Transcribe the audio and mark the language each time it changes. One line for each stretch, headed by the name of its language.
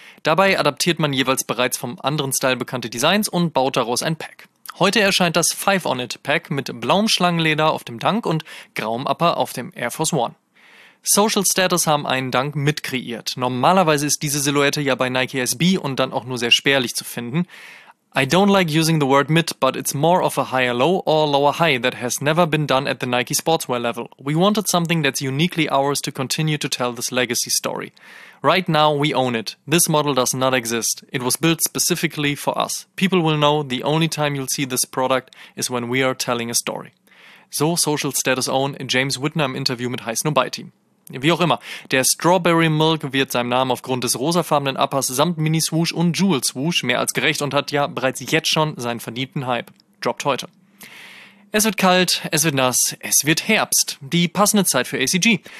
German: Dabei adaptiert man jeweils bereits vom anderen Style bekannte Designs und baut daraus ein Pack. Heute erscheint das 5 On It Pack mit blauem Schlangenleder auf dem Dunk und grauem Upper auf dem Air Force One. Social Status haben einen Dunk mitkreiert. Normalerweise ist diese Silhouette ja bei Nike SB und dann auch nur sehr spärlich zu finden.
English: I don't like using the word mid, but it's more of a higher low or lower high that has never been done at the Nike sportswear level. We wanted something that's uniquely ours to continue to tell this legacy story. Right now we own it. This model does not exist. It was built specifically for us. People will know the only time you'll see this product is when we are telling a story.
German: So Social Status Own James Whitner im Interview mit Heiß Nobody. Wie auch immer, der Strawberry Milk wird seinem Namen aufgrund des rosafarbenen Uppers samt Mini Swoosh und Jewel Swoosh mehr als gerecht und hat ja bereits jetzt schon seinen verdienten Hype. Droppt heute. Es wird kalt, es wird nass, es wird Herbst. Die passende Zeit für ACG.